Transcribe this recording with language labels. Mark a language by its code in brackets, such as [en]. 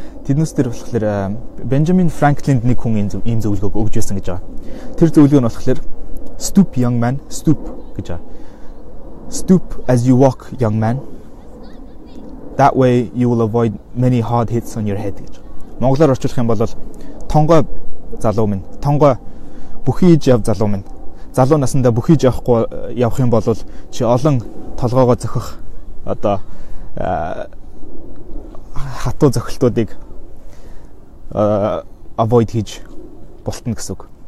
[mn] Тэднээс дээр болохоор Бенджамин Франклинд нэг хүн ийм зөвлөгөөг өгж байсан гэж байгаа. Тэр зөвлөгөө нь болохоор [en] stoop young man, stoop [mn] гэж байгаа. [en] Stoop as you walk young man. That way you will avoid many hard hits on your head гэж. [mn] Монголоор орчуулах юм бол тонгой залуу минь, тонгой бүхийж яв залуу минь. Залуу наснда бүхийж явахгүй явах юм бол чи олон толгоёо зөхөх одоо хатуу зөхөлтүүдийг avoid хийж болтно гэсэн үг.